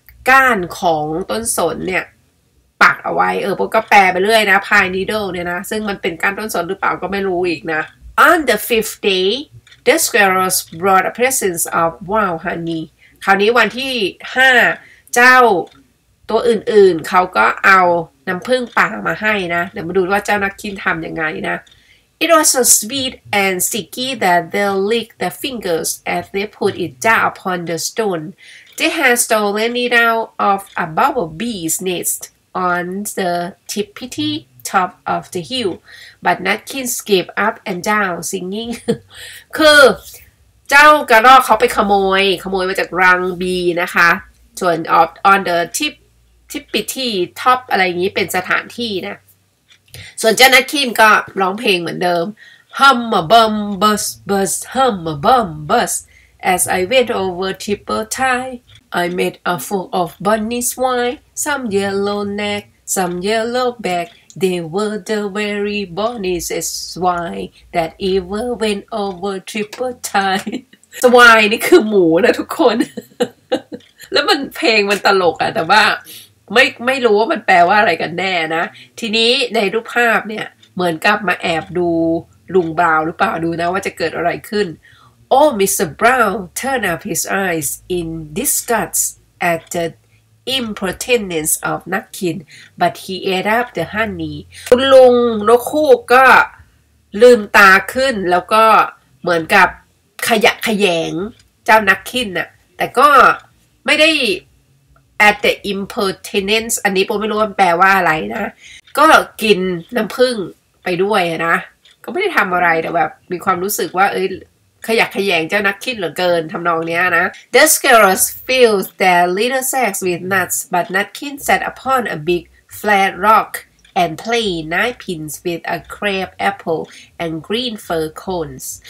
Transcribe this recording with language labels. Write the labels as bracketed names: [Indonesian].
[Thai] ก้านของต้นสนเนี่ยปักเอาไว้เออผมก็แปลไปเรื่อยนะ Pine Needle เนี่ยนะซึ่งมันเป็นก้านต้นสนหรือเปล่าก็ไม่รู้อีกนะ [English] On the fifth day the squirrels brought a present of wild honey [Thai] คราวนี้วันที่5เจ้าตัวอื่นๆเขาก็เอาน้ำผึ้งป่ามาให้นะเดี๋ยวมาดูว่าเจ้านักคินทำยังไงนะ [English] It was so sweet and sticky that they licked their fingers as they put it down upon the stone. They had stolen it out of a bumblebee's nest on the tippity top of the hill. But Nutkin skipped up and down singing. [Thai] คือเจ้ากระรอกเขาไปขโมยมาจากรังบีนะคะส่วน [English] on the tippity top [Thai] อะไรอย่างนี้เป็นสถานที่นะ ส่วนเจ้านัทคินก็ร้องเพลงเหมือนเดิม [English] Hum a bum bus bus hum a bum bus As I went over triple tie I met a full of bunny swine Some yellow neck Some yellow back They were the very bunnies as swine That ever went over triple tie Swine [Thai] นี่คือหมูนะทุกคน แล้วมันเพลงมันตลกอะแต่ว่าไม่รู้ว่ามันแปลว่าอะไรกันแน่นะทีนี้ในรูปภาพเนี่ยเหมือนกับมาแอบดูลุงบราวน์หรือเปล่าดูนะว่าจะเกิดอะไรขึ้น [English] Oh Mr. Brown turned up his eyes in disgust at the impertinence of Nutkin but he ate up the honey [Thai] คุณลุงนกฮูกก็ ลืมตาขึ้นแล้วก็เหมือนกับขยะแขยงเจ้านักขิ้นน่ะแต่ก็ไม่ได้ [English] at the impertinence [Thai] อันนี้ผมไม่รู้มันแปลว่าอะไรนะก็กินน้ำผึ้งไปด้วยนะก็ไม่ได้ทำอะไรแต่แบบมีความรู้สึกว่าเอ้ยขยะแขยงเจ้านักขิ้นเหลือเกินทำนองเนี้ยนะ [English] The squirrels filled their little sacks with nuts but Nutkin sat upon a big flat rockand play nine pins with a crab apple and green fir cones